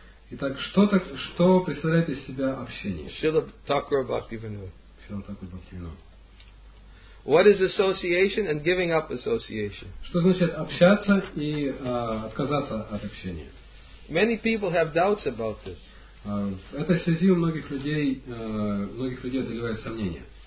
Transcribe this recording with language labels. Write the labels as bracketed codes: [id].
[ru] Итак, что представляет из себя общение? Шрила Такур Бхактивинод. Шрила Такур Бхактивинод. [en] What is association and giving up association? [ru] Что значит общаться и отказаться от общения? [en] Many people have doubts about this. [ru] В этой связи у многих людей одолевают сомнения.